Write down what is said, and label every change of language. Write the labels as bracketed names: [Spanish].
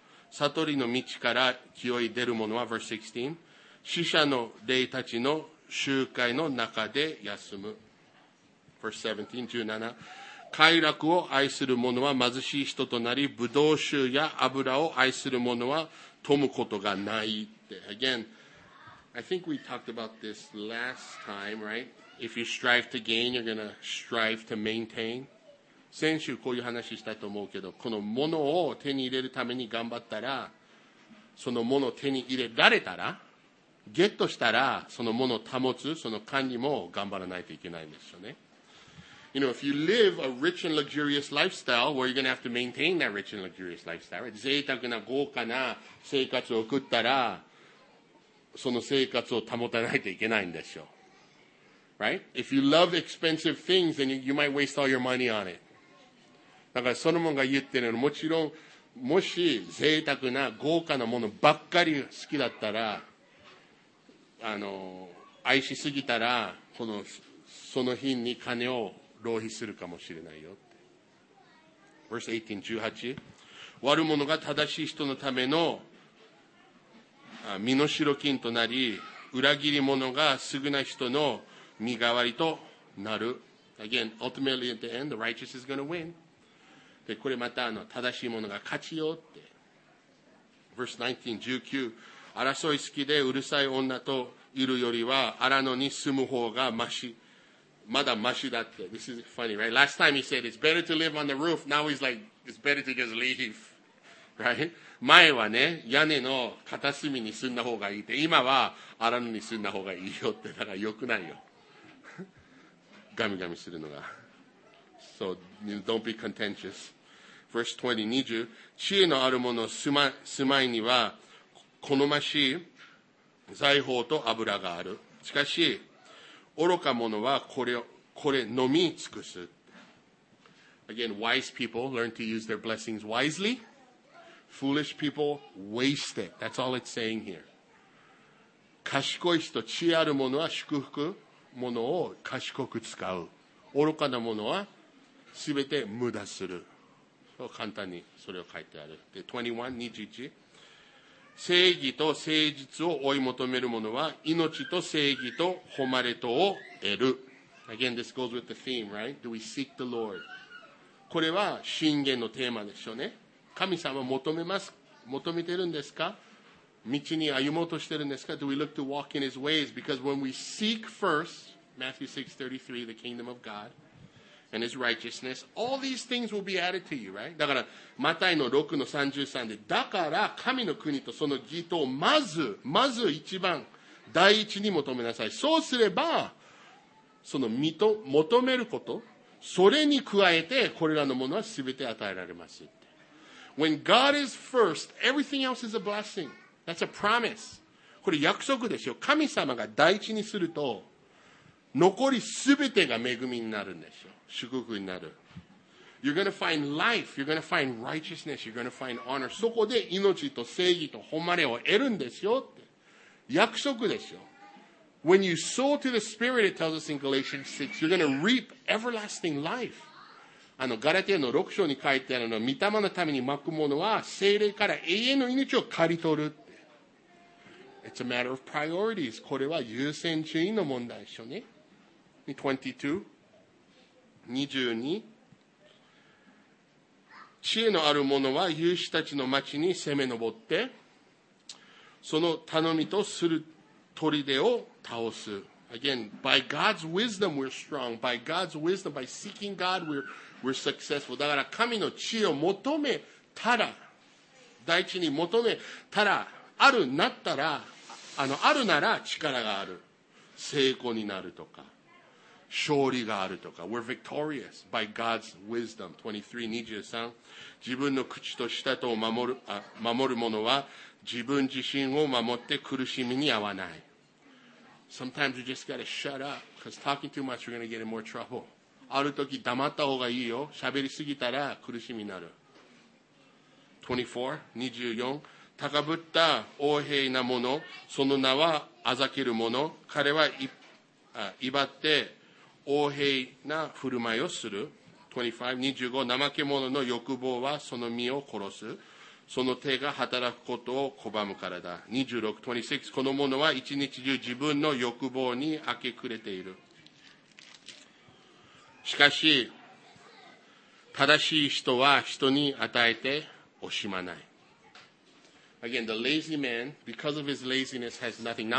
[Japanese] 悟りの道から清い出る者は、 [English] verse 16, [Japanese] 死者の霊たちの集会の中で休む。 [English] verse 17, [Japanese] 17, 快楽を愛する者は貧しい人となり、葡萄酒や油を愛する者は富むことがないって。 [English] Again, I think we talked about this last time, right? If you strive to gain, you're going to strive to maintain. [Japanese] 先週こういう話したと思うけど、このものを手に入れるために頑張ったら、そのものを手に入れられたら、ゲットしたら、そのものを保つ、その管理も頑張らないといけないんですよね。 [English] You know, if you live a rich and luxurious lifestyle, well, you're going to have to maintain that rich and luxurious lifestyle, right? [Japanese] 贅沢な豪華な生活を送ったら、その生活を保たないといけないんですよ。 [English] right? If you love expensive things, then you might waste all your money on it. [Japanese] だからソロモンが言ってるのもちろん、もし贅沢な豪華なものばっかり好きだったら、あの愛しすぎたらこのその日に金を浪費するかもしれないよって。 [English] Verse 18, [Japanese] 悪者が正しい人のための身の代金となり、裏切り者が優な人の身代わりとなる。 [English] Again, ultimately at the end, the righteous is going to win. [Japanese] で、これまたあの正しい者が勝ちよって。 [English] Verse 19, [Japanese] 争い好きでうるさい女といるよりは、荒野に住む方がまし。まだましだって。 [English] This is funny, right? Last time he said it's better to live on the roof. Now he's like, it's better to just leave. Right? [Japanese] 前はね、屋根の片隅に住んだ方がいいって。今は荒野に住んだ方がいいよって。だから良くないよ。ガミガミするのが。 [English] So, don't be contentious. Verse 20, 20. [Japanese] 知恵のある者の住まいには、好ましい財宝と油がある。しかし、愚か者はこれ飲み尽くす。 [English] Again, wise people learn to use their blessings wisely. Foolish people waste it. That's all it's saying here. [Japanese] 賢い人、知ある者は祝福ものを賢く使う。愚かな者はすべて無駄する。そう簡単にそれを書いてある。で、正義と誠実を追い求める者は命と正義と誉れとを得る。 [English] Again, this goes with the theme, right? Do we seek the Lord? [Japanese] これは箴言のテーマでしょうね。神様求めます。求めてるんですか？道に歩もうとしてるんですか？ [English] Do we look to walk in his ways? Because when we seek first, Matthew 6:33, the kingdom of God and his righteousness, all these things will be added to you, right? [Japanese] だから、マタイの6の33で、だから神の国とその義とをまず一番、第一に求めなさい。そうすれば、その身と求めること、それに加えて、これらのものは全て与えられますって。 [English] When God is first, everything else is a blessing. That's a promise. [Japanese] これ約束ですよ。神様が第一にすると、残り全てが恵みになるんですよ。祝福になる。 [English] You're gonna find life, you're gonna find righteousness, you're gonna find honor. [Japanese] そこで命と正義と誉れを得るんですよって。約束ですよ。 [English] When you sow to the Spirit, it tells us in Galatians 6, you're gonna reap everlasting life. [Japanese] あの、ガラテヤの6章に書いてあるのは、御霊のために撒くものは、聖霊から永遠の命を刈り取るって。 [English] It's a matter of priorities. [Japanese] これは優先順位の問題でしょうね。 22. 知恵のある者は勇士たちの町に攻め上って、その頼みとする砦を倒す。 [English] Again, by God's wisdom we're strong. By God's wisdom, by seeking God, we're successful. [Japanese] だから神の知恵を求めたら、第一に求めたら、あるなったら、あるなら力がある。成功になるとか。勝利があるとか。 [English] We're victorious by God's wisdom. 23, 23. [Japanese] 自分の口と舌とを守る者は自分自身を守って苦しみに遭わない。 [English] Sometimes you just gotta shut up because talking too much you're gonna get in more trouble. [Japanese] ある時黙った方がいいよ。喋りすぎたら苦しみになる。 24, 24. 高ぶった横柄な者、その名はあざける者、彼は威張って横柄な振る舞いをする。 25, 25. 怠け者の欲望はその身を殺す。その手が働くことを拒むからだ。 26, 26. この者は一日中自分の欲望に明け暮れている。しかし正しい人は人に与えて惜しまない。 [English] Again, the lazy man, because of his laziness, has nothing.